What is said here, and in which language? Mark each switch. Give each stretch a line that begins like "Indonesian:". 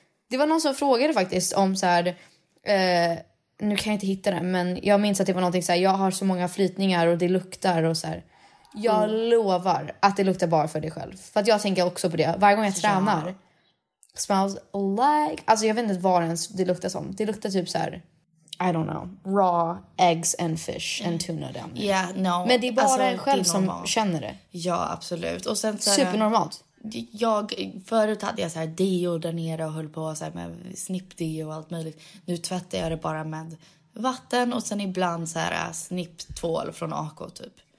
Swedish: Det var någon som frågade faktiskt om så här... nu kan jag inte hitta den, men jag minns att det var någonting så här... Jag har så många flytningar och det luktar och så här... Jag lovar att det luktar bara för dig själv. För att jag tänker också på det. Varje gång jag tränar... Ja.
English: Smells like...
Swedish: Alltså jag vet inte vad ens det luktar som. Det luktar typ så här...
English: I don't know. Raw eggs and fish and tuna down there. Yeah, no.
Swedish: Men det är bara alltså, en själv som känner det. Ja, absolut. Och sen så här, supernormalt. Förut hade jag så här deo där nere och höll på så här med snippdeo och allt möjligt. Nu tvättar jag det bara med vatten och sen ibland så här snipptvål från AK typ.